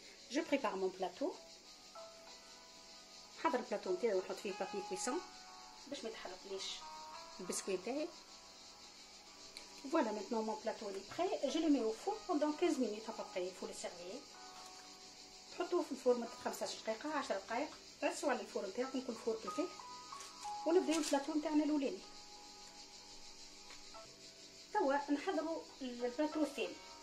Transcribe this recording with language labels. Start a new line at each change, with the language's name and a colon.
French: Je prépare mon plateau.
Arabic: حضر البلاطو نتاعي ونحط فيه بابي كويسون باش ما يتحرقليش البسكويت نتاعي.
French: Voilà maintenant mon plateau est prêt. Je le mets au four pendant 15 minutes à peu près. Il faut le servir.
Arabic: تحطوه في الفرن مدة 15 دقيقة 10 دقائق. عسوا على الفرن نتاعكم كل فور كيفاه. ونبداو البلاطو نتاعنا الأولاني. توا نحضروا البلاطو الثاني.